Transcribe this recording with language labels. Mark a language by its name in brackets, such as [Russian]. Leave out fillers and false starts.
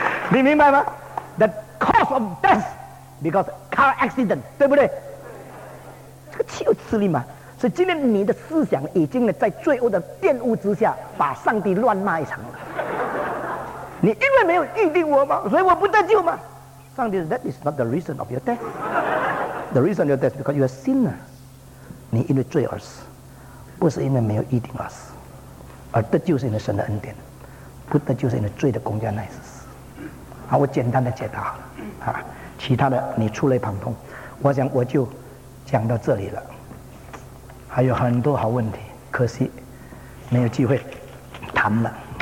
[Chinese] 你明白吗 ？ [English] The cause of death because car accident， [Chinese] 对不对？这个岂有此理嘛！所以今天你的思想已经在罪恶的玷污之下把上帝乱骂一场了。你因为没有预定我吗？所以我不得救吗？ [English] 上帝 That is not the reason of your death. The reason of your death is because you are sinner. [Chinese] 你因为罪而死，不是因为没有预定而死，而得救是因为神的恩典，不得救是因为罪的公价乃是死。好，我简单的解答好了，其他的你触类旁通。我想我就讲到这里了，还有很多好问题，可惜没有机会谈了。